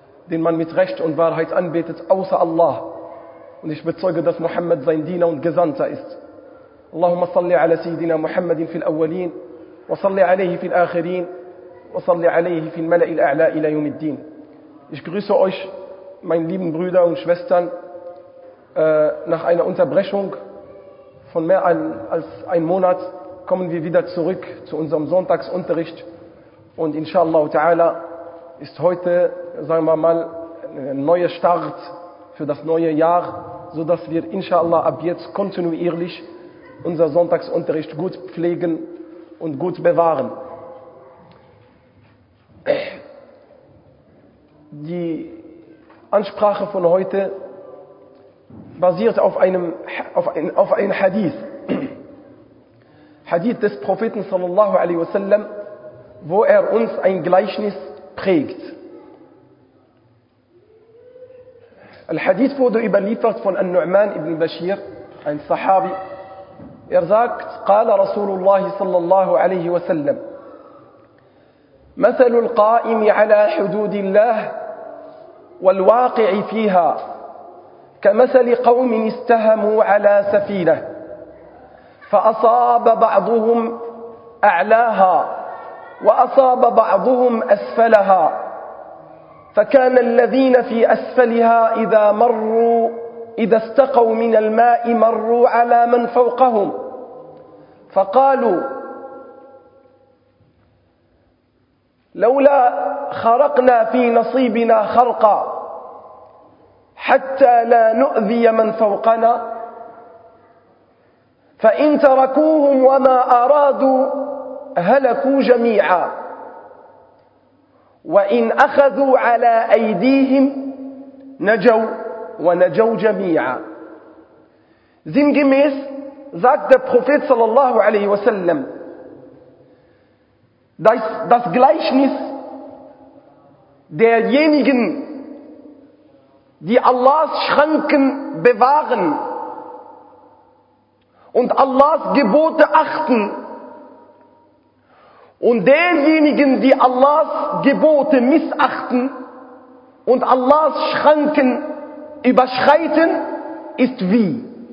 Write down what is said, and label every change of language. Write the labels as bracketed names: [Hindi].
[German] den man mit recht und wahrheit anbetet außer Allah und ich bezeuge dass Muhammad sein diener und gesandter ist [Arabic] اللهم صل على سيدنا محمد في الاولين وصلي عليه في الاخرين وصلي عليه في الملأ الاعلى الى يوم الدين. [German] Ich grüße euch, meine lieben Brüder und Schwestern, nach einer Unterbrechung von mehr als einem Monat kommen wir wieder zurück zu unserem Sonntagsunterricht und inshallah ta'ala ist heute, sagen wir mal, ein neuer Start für das neue Jahr, sodass wir inshallah ab jetzt kontinuierlich unser Sonntagsunterricht gut pflegen und gut bewahren. Die Ansprache von heute basiert auf einem Hadith. Hadith des Propheten sallallahu alaihi wasallam, wo er uns ein Gleichnis prägt. Al-Hadith wurde überliefert von An-Nu'man ibn Bashir, ein Sahabi. Er sagt, [Arabic] قال رسول الله صلى الله عليه وسلم مثل القائم على حدود الله والواقع فيها كمثل قوم استهموا على سفينة فأصاب بعضهم أعلاها وأصاب بعضهم أسفلها فكان الذين في أسفلها إذا مروا إذا استقوا من الماء مروا على من فوقهم فقالوا لولا خرقنا في نصيبنا خرقا حتى لا نؤذي من فوقنا فإن تركوهم وما أرادوا هلكوا جميعا وإن أخذوا على أيديهم نجوا ونجوا جميعا. [German] Sinngemäß sagt der Prophet sallallahu alaihi wasallam, das Gleichnis derjenigen, die Allahs Schranken bewahren und Allahs Gebote achten und denjenigen, die Allahs Gebote missachten und Allahs Schranken überschreiten, ist wie?